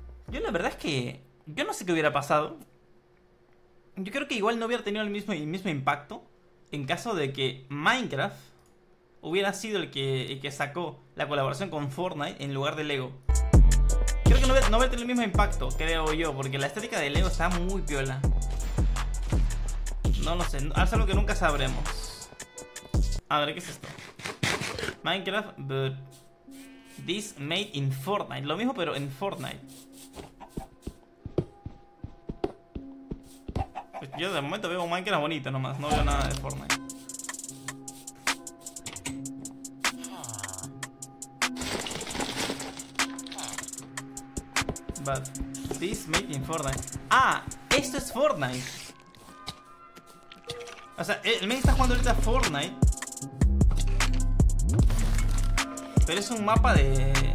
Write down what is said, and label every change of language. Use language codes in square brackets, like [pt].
[es] Yo la verdad es que yo no sé qué hubiera pasado. Yo creo que igual no hubiera tenido el mismo impacto en caso de que Minecraft hubiera sido el que sacó la colaboración con Fortnite en lugar de Lego. Creo que no hubiera tenido el mismo impacto, creo yo, porque la estética de Lego está muy piola. No lo sé, es algo que nunca sabremos. A ver, ¿qué es esto? [en] Minecraft, but this made in Fortnite. [es] Lo mismo, pero en Fortnite. Pues yo de momento veo Minecraft bonito nomás, no veo nada de Fortnite. [en] But this made in Fortnite. [es] ¡Ah! ¡Esto es Fortnite! O sea, el men está jugando ahorita Fortnite, pero es un mapa de...